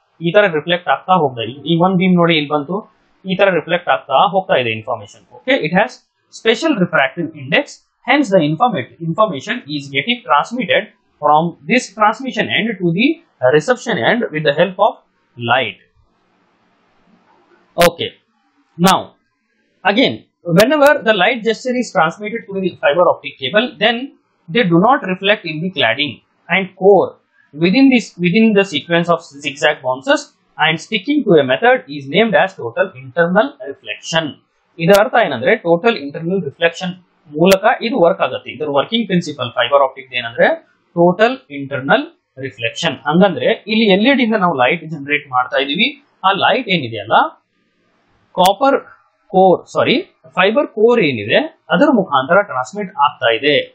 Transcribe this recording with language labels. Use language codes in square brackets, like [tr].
[kn] ಈ ತರ ರಿಫ್ಲೆಕ್ಟ್ ಆಗ್ತಾ ಹೋಗ್ತಾ ಇದೆ, ಈ ಒಂದ್ ಬೀಮ್ ನೋಡಿ ಇಲ್ಲಿ ಬಂತು, ಈ ತರ ರಿಫ್ಲೆಕ್ಟ್ ಆಗ್ತಾ ಹೋಗ್ತಾ ಇದೆ information. [en] Okay, it has special refractive index, hence the information is getting transmitted from this transmission end to the reception end with the help of light. Okay, now again, whenever the light gesture is transmitted through the fiber optic cable, then they do not reflect in the cladding and core within the sequence of zigzag bounces, and sticking to a method is named as total internal reflection. [kn] ಇದರ ಅರ್ಥ ಏನಂದ್ರೆ total internal reflection ಮೂಲಕ ಇದು work ಆಗುತ್ತೆ. ಇದರ working principal fibre optic ಏನಂದ್ರೆ total internal reflection. ಹಂಗಂದ್ರೆ ಇಲ್ಲಿ ಎಲ್ಇಡಿ ಇಂದ ನಾವು ಲೈಟ್ ಜನರೇಟ್ ಮಾಡ್ತಾ ಇದೀವಿ, ಆ ಲೈಟ್ ಏನಿದೆಯಲ್ಲ ಕಾಪರ್ ಕೋರ್ ಸಾರಿ ಫೈಬರ್ ಕೋರ್ ಏನಿದೆ ಅದರ ಮುಖಾಂತರ ಟ್ರಾನ್ಸ್ಮಿಟ್ ಆಗ್ತಾ ಇದೆ.